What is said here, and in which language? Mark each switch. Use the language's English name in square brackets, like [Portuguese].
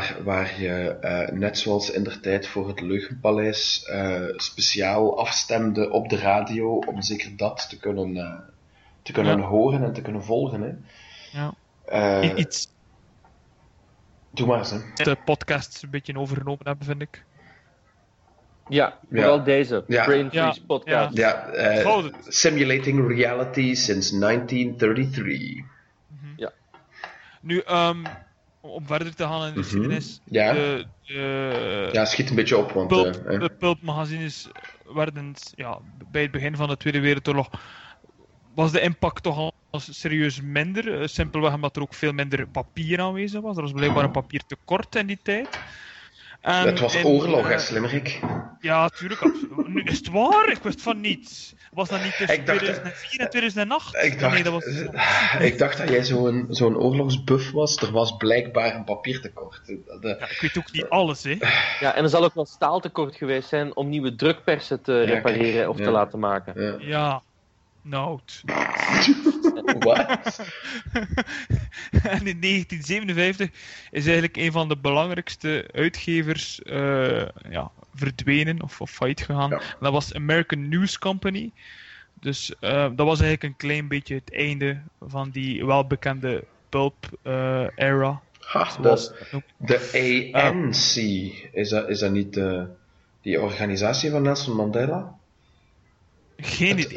[Dutch] Waar je net zoals in der tijd voor het Leugenpaleis speciaal afstemde op de radio om zeker dat te kunnen horen en te kunnen volgen, hè? Ja. Iets. Doe maar eens, hè. De podcasts een beetje overgenomen hebben, vind ik. Ja, vooral deze. Ja. Brain Freeze podcast. Ja. [English] Simulating reality since 1933. [Dutch] Mm-hmm. Ja. Nu, om verder te gaan in de geschiedenis. Ja. De schiet een beetje op. Want, de pulp magazines werden bij het begin van de Tweede Wereldoorlog. Was de impact toch al serieus minder? Simpelweg omdat er ook veel minder papier aanwezig was. Er was blijkbaar een papier tekort in die tijd. En het was oorlog, hè, Slimmerik. Ja, tuurlijk. Nu, is het waar? Ik wist van niets. Was dat niet tussen 2004 en 2008? Ik dacht dat jij zo'n oorlogsbuff was. Er was blijkbaar een papiertekort. Ik weet ook niet alles, hè. Ja, en er zal ook wel staaltekort geweest zijn om nieuwe drukpersen te repareren of te laten maken. Ja. Nout. [English] What? [Dutch] En in 1957 is eigenlijk een van de belangrijkste uitgevers verdwenen of failliet gegaan. Ja. Dat was American News Company. Dus dat was eigenlijk een klein beetje het einde van die welbekende pulp era. De ANC, is dat niet die organisatie van Nelson Mandela? Geen idee.